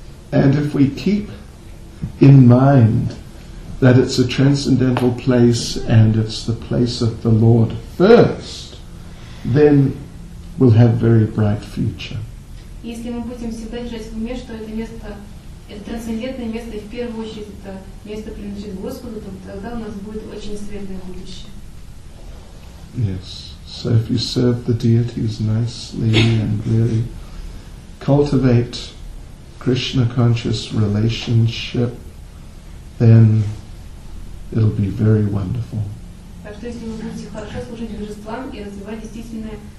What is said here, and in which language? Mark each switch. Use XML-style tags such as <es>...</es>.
<en>And if we keep in mind that it's a transcendental place and it's the place of the Lord first, then will have a very bright future.</en> <ru>Если мы будем всегда держать в уме, что это место, это трансцендентное место, и в первую очередь это место принадлежит Господу, то тогда у нас будет очень светлое будущее.</ru> <en>Yes. So if you serve the deities nicely and really cultivate Krishna conscious relationship, then it'll be very wonderful.</en> <ru>Так что если вы будете хорошо служить божествам и развивать действительное</ru>